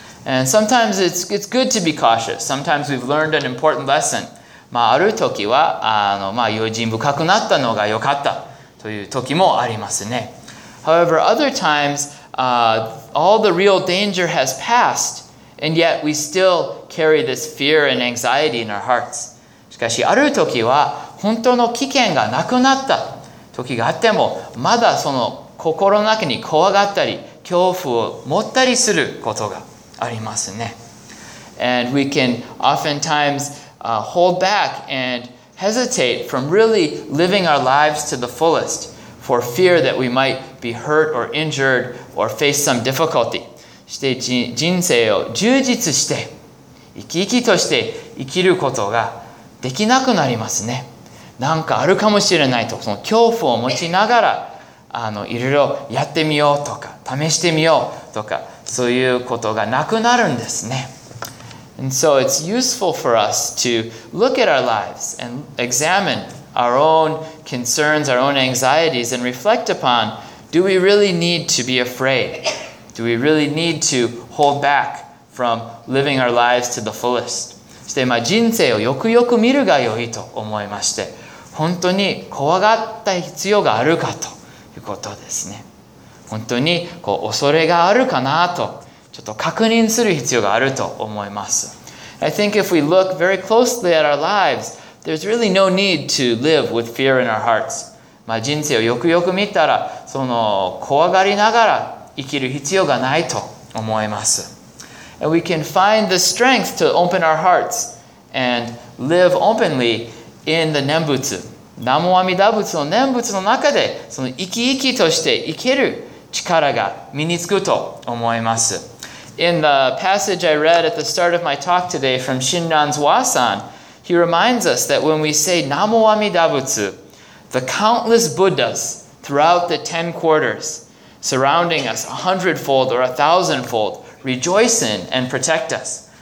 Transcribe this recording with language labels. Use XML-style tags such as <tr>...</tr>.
<en>And sometimes it's good to be cautious. Sometimes we've learned an important lesson.</en> <ja>まあある時はあのまあ用心深くなったのが良かったという時もありますね。</ja> <en>However, other times, all the real danger has passed. And yet we still carry this fear and anxiety in our hearts.</en> <ja>しかしある時は本当の危険がなくなった時があってもまだその心の中に怖がったり恐怖を持ったりすることがありますね。</ja> <en>And we can oftentimes hold back and hesitate from really living our lives to the fullest for fear that we might be hurt or injured or face some difficulty.</en> <ja>して人生を充実して生き生きとして生きることができなくなりますね。なんかあるかもしれないとその恐怖を持ちながらあのいろいろやってみようとか試してみようとかそういうことがなくなるんですね。</ja> <en>And so it's useful for us to look at our lives and examine our own concerns, our own anxieties and reflect upon, do we really need to be afraid? Do we really need to hold back from living our lives to the fullest?</en> <ja>そして、まあ、人生をよくよく見るがよいと思いまして、本当に怖がった必要があるかということですね。本当にこう恐れがあるかなと、ちょっと確認する必要があると思います。</ja> <en>I think if we look very closely at our lives, there's really no need to live with fear in our hearts.</en> <ja>まあ、人生をよくよく見たら、その怖がりながら、生きる必要がないと思います。</ja> <en>And we can find the strength to open our hearts and live openly in the 念仏。</en> <ja>南無阿弥陀仏の念仏の中で、その生き生きとして生ける力が身につくと思います。</ja> <en>In the passage I read at the start of my talk today from Shinran's Wasan, he reminds us that when we say 南無阿弥陀仏, the countless Buddhas throughout the ten quarters,surrounding us 100-fold or 1,000-fold, rejoice in and protect us.</en>